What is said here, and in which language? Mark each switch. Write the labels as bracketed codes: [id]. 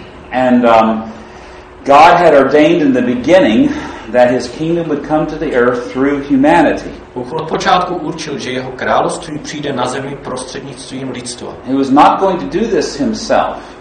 [en] God had ordained in the beginning that his kingdom would come to the earth through humanity. [cs] Bůh od počátku určil, že jeho království přijde na zemi prostřednictvím lidstva. [en] He was not going to do this himself.